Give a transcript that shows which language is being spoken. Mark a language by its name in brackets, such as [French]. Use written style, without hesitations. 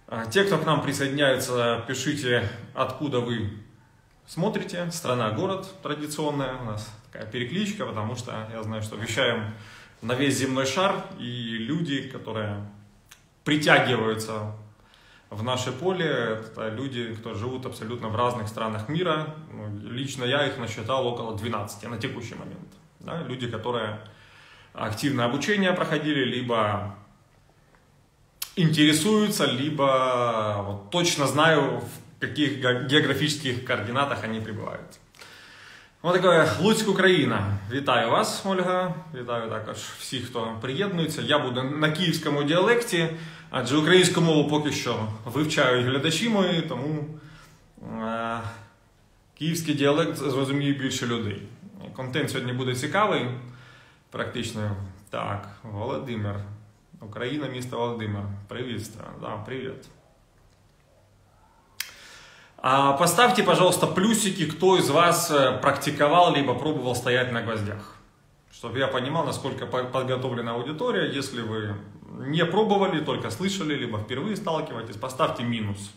[Russian] Те, кто к нам присоединяются, пишите, откуда вы смотрите, страна-город традиционная у нас, такая перекличка, потому что я знаю, что вещаем на весь земной шар, и люди, которые притягиваются в наше поле, это люди, кто живут абсолютно в разных странах мира, ну, лично я их насчитал около 12 на текущий момент, да? Люди, которые активное обучение проходили, либо интересуются, либо вот, точно знаю, в каких географических координатах они пребывают. Вот такое Луцк, Украина. [Ukrainian] Вітаю вас, [Russian] Ольга. [Ukrainian] Вітаю також всіх, хто приєднується. Я буду на київському діалекті, адже українську мову поки що вивчають глядачі мої, тому київський діалект зрозуміє більше людей. Контент сьогодні буде цікавий, практично. Так, Володимир. Україна, місто Володимир. Привіт, Стефан. Да, привіт. [Russian] Поставьте, пожалуйста, плюсики, кто из вас практиковал, либо пробовал стоять на гвоздях. Чтобы я понимал, насколько подготовлена аудитория. Если вы не пробовали, только слышали, либо впервые сталкиваетесь, поставьте минус.